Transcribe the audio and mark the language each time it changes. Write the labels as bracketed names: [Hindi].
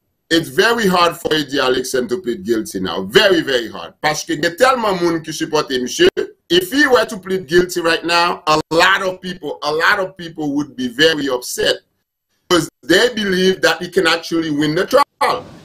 [English] It's very hard for Edi Alexandre to plead guilty now. Very, very hard. [French] Parce que il y a tellement de monde qui supporte monsieur. [English] If he were to plead guilty right now, a lot of people would be very upset. Because they believe that he can actually win the trial.